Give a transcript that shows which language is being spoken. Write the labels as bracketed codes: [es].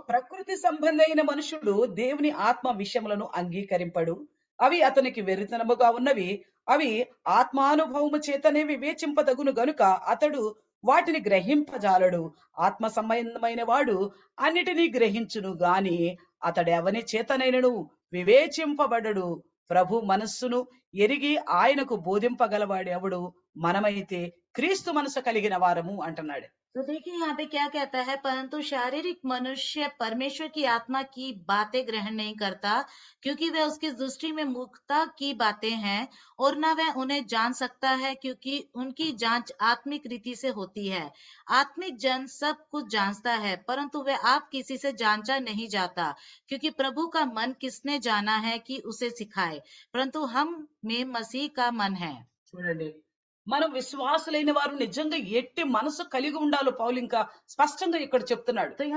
[te] ప్రకృతి సంబంధమైన మనుషుడు దేవుని ఆత్మ విషయములను అంగీకరింపడు, అవి అతనికి వెరితనముగా ఉన్నవి, అవి ఆత్మానుభవము చేతనే వివేచింపదగును గనుక అతడు వాటిని గ్రహింపజాలడు. ఆత్మ సంబంధమైన వాడు అన్నిటినీ గ్రహించును గాని అతడెవని చేతనైనను వివేచింపబడడు. ప్రభు మనస్సును ఎరిగి ఆయనకు బోధింపగలవాడు ఎవడు? మనమైతే క్రీస్తు మనసు కలిగిన వారము అంటున్నాడు. [hi] तो देखिए यहाँ पे क्या कहता है, परंतु शारीरिक मनुष्य परमेश्वर की आत्मा की बातें ग्रहण नहीं करता, क्योंकि वह उसके दृष्टि में मूर्खता की बातें हैं और ना वह उन्हें जान सकता है, क्योंकि उनकी जांच आत्मिक रीति से होती है। आत्मिक जन सब कुछ जानता है, परंतु वह आप किसी से जांचा नहीं जाता, क्योंकि प्रभु का मन किसने जाना है कि उसे सिखाए, परंतु हम में मसीह का मन है। [te] మనం విశ్వాసులైన వారు నిజంగా ఎట్టి మనసు కలిగి ఉండాలో పౌలు ఇంకా స్పష్టంగా ఇక్కడ చెప్తున్నాడు.